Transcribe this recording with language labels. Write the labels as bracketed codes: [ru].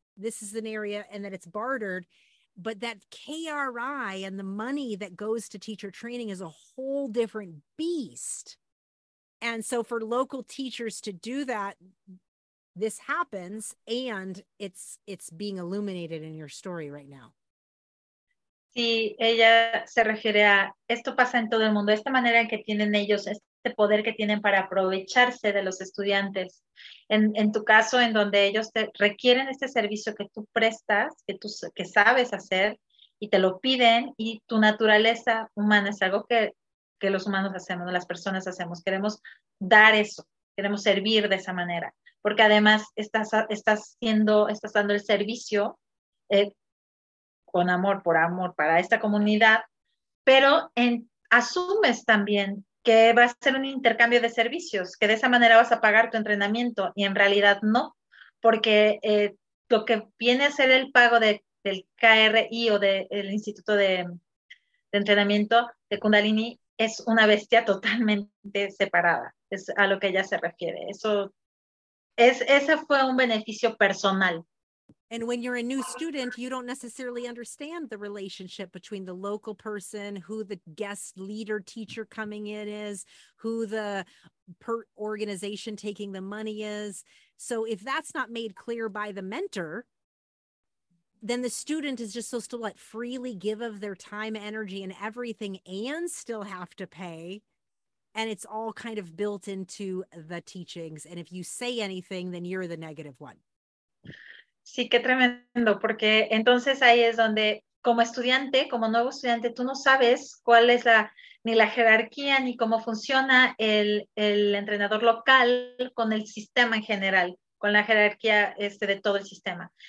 [en] This is an area and that it's bartered. But that KRI and the money that goes to teacher training is a whole different beast. And so for local teachers to do that, this happens. And it's being illuminated in your story right now. [es] Sí, ella se refiere a esto pasa en todo el mundo, esta manera en que tienen ellos, este poder que tienen para aprovecharse de los estudiantes. En tu caso, en donde ellos te requieren este servicio que tú prestas, que sabes hacer, y te lo piden, y tu naturaleza humana es algo que los humanos hacemos, las personas hacemos. Queremos dar eso, queremos servir de esa manera, porque además estás dando el servicio con amor, por amor, para esta comunidad, pero asumes también que va a ser un intercambio de servicios, que de esa manera vas a pagar tu entrenamiento, y en realidad no, porque lo que viene a ser el pago del KRI o del Instituto de Entrenamiento de Kundalini es una bestia totalmente separada, es a lo que ella se refiere. Ese fue un beneficio personal. [en] And when you're a new student, you don't necessarily understand the relationship between the local person, who the guest leader teacher coming in is, who the organization taking the money is. So if that's not made clear by the mentor, then the student is just supposed to let freely give of their time, energy, and everything and still have to pay. And it's all kind of built into the teachings. And if you say anything, then you're the negative one. [es] Sí, qué tremendo, porque entonces ahí es donde como estudiante, como nuevo estudiante, tú no sabes cuál es ni la jerarquía ni cómo funciona el entrenador local con el sistema en general, con la jerarquía de todo el sistema.